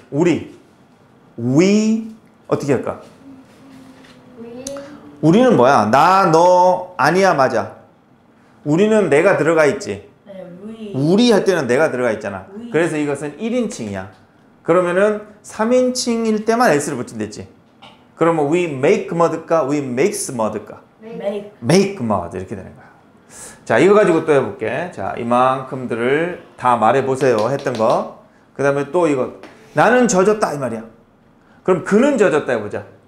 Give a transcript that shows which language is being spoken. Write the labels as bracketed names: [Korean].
[Korean] 우리. We, 어떻게 할까? [English] We. [Korean] 우리는 뭐야? 나, 너, 아니야, 맞아. 우리는 내가 들어가 있지. 네, we. 우리 할 때는 내가 들어가 있잖아. [English] We. [Korean] 그래서 이것은 1인칭이야. 그러면은 3인칭일 때만 S를 붙인댔지. 그러면 [English] we make mud [Korean] 일까? [English] We makes mud [Korean] 일까? [English] Make. Make mud. [Korean] 이렇게 되는 거야. 자, 이거 가지고 또 해볼게. 자, 이만큼들을 다 말해보세요. 했던 거. 그 다음에 또 이거. 나는 젖었다. 이 말이야. 그럼 그는 젖었다 해보자.